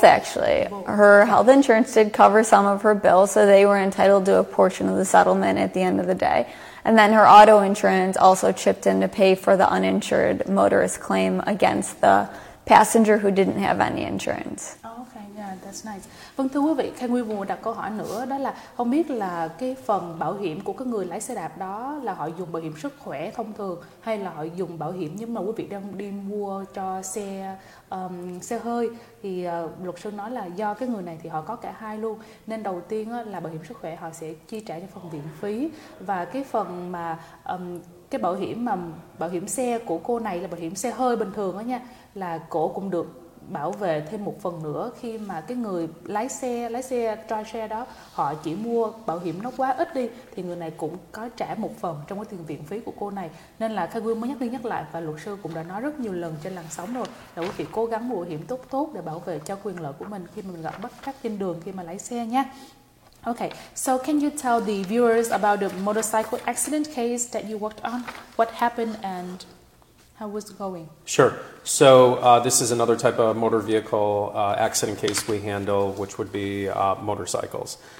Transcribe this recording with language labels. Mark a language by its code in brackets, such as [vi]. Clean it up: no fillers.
[en] Her health insurance did cover some of her bills, so they were entitled to a portion of the settlement at the end of the day. And then her auto insurance also chipped in to pay for the uninsured motorist claim against the passenger who didn't have any insurance. Oh, okay, yeah, that's nice. [vi] Vâng, thưa quý vị, Khang Nguyên muốn đặt câu hỏi nữa, đó là không biết là cái phần bảo hiểm của cái người lái xe đạp đó là họ dùng bảo hiểm sức khỏe thông thường hay là họ dùng bảo hiểm nhưng mà quý vị đang đi mua cho xe xe hơi, thì luật sư nói là do cái người này thì họ có cả hai luôn, nên đầu tiên là bảo hiểm sức khỏe họ sẽ chi trả cho phần viện phí, và cái phần mà cái bảo hiểm xe của cô này là bảo hiểm xe hơi bình thường đó nha, là cổ cũng được bảo vệ thêm một phần nữa khi mà cái người lái xe drive share đó họ chỉ mua bảo hiểm nó quá ít đi, thì người này cũng có trả một phần trong cái tiền viện phí của cô này. Nên là Khai Quyên mới nhắc đi nhắc lại, và luật sư cũng đã nói rất nhiều lần trên làn sóng rồi, là quý vị cố gắng mua bảo hiểm tốt để bảo vệ cho quyền lợi của mình khi mà mình gặp bất trắc trên đường khi mà lái xe nha. [en] Okay, so can you tell the viewers about the motorcycle accident case that you worked on? What happened and how was it going? Sure. So this is another type of motor vehicle accident case we handle, which would be motorcycles.